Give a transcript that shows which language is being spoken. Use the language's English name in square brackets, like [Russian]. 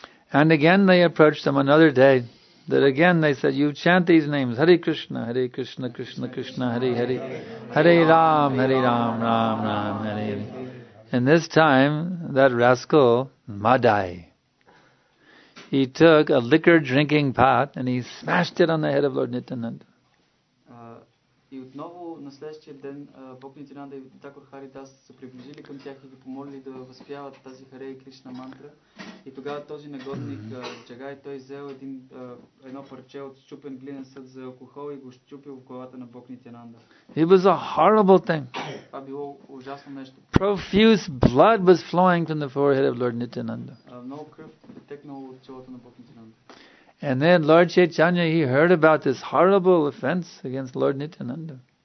[English] And again they approached them another day. That again they said, you chant these names, Hare Krishna, Hare Krishna, Krishna Krishna, Hare Hare, Hare Ram, Hare Ram, Ram Ram, Hare Hare. And this time, that rascal, Madai, he took a liquor-drinking pot and he smashed it on the head of Lord Nityananda. [Bulgarian] И отново на следващия ден Бог Нитянанда и Такур Харидас се приближили към тях и ги помолили да възпяват тази Харе и Кришна мантра. И тогава този негодник Джагай, той взел едно парче от счупен глинен съд за алкохол и го счупил в главата на Бог Нитянанда. [English] It was a horrible thing. [Bulgarian] Това било ужасно нещо. [English] Profuse blood was flowing from the forehead of Lord Nityananda. [Bulgarian] Много кръв текнало от челото на Бог Нитянанда. [English] And then Lord Chaitanya, he heard about this horrible offense against Lord Nityananda.